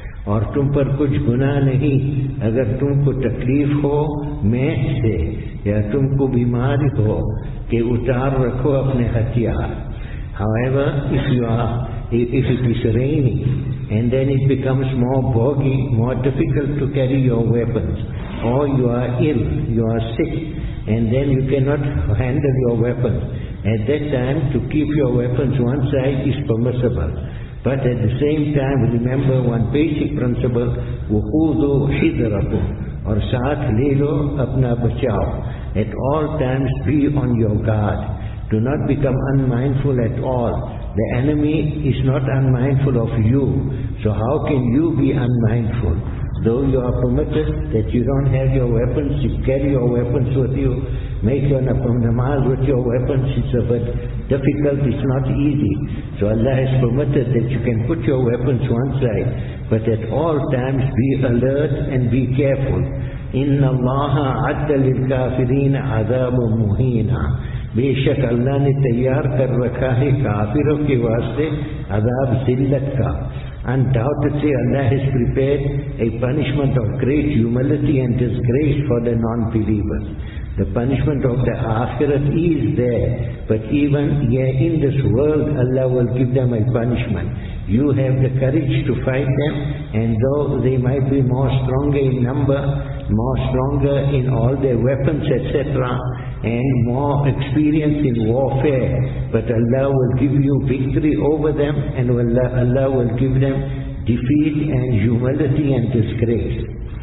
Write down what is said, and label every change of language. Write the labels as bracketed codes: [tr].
[ur] اور تم پر کچھ گناہ نہیں اگر تم کو تکلیف ہو میں سے یا تم کو بیماری ہو کہ اتار رکھو اپنے ہتھیار. [en] However, if it is raining and then it becomes more boggy, more difficult to carry your weapons, or you are ill, you are sick, and then you cannot handle your weapons, at that time to keep your weapons one side is permissible. But at the same time, remember one basic principle, [ar] وَخُوذُوا حِذْرَكُمْ [ur] اور ساتھ لے لو اپنا بچاؤ. [en] At all times be on your guard. Do not become unmindful at all. The enemy is not unmindful of you. So how can you be unmindful? Though you are permitted that you don't have your weapons, you carry your weapons with you, make your namaz with your weapons, it's a bit difficult, it's not easy. So Allah has permitted that you can put your weapons one side, but at all times be alert and be careful. [ar] إِنَّ اللَّهَ عَدَّ لِلْكَافِرِينَ عَذَابٌ مُهِينًا. [ur] بے شک اللہ نے تیار کر رکھا ہے کافروں کے واسطے عذاب ذلت کا. [en] Undoubtedly Allah has prepared a punishment of great humility and disgrace for the non-believers. The punishment of the akhirat is there, but even in this world Allah will give them a punishment. You have the courage to fight them, and though they might be more stronger in number, more stronger in all their weapons, etc., and more experience in warfare, but Allah will give you victory over them, and Allah will give them defeat and humility and disgrace.